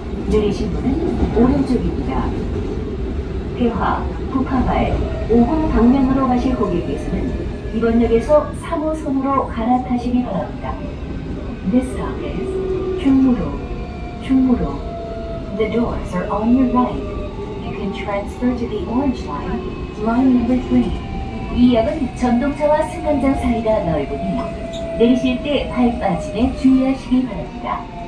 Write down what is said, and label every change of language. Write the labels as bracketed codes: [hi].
[ko] 내리신 분은 오른쪽입니다. 대화, 부파발, 5호 방면으로 가실 고객께서는 이번역에서 3호선으로 갈아타시기 바랍니다. [en] This stop is 충무로. [ko] 충무로. [en] The doors are on your right. You can transfer to the orange line number 3. [ko] 이 역은 전동차와 승강장 사이가 넓으니 내리실 때 발 빠짐에 주의하시기 바랍니다.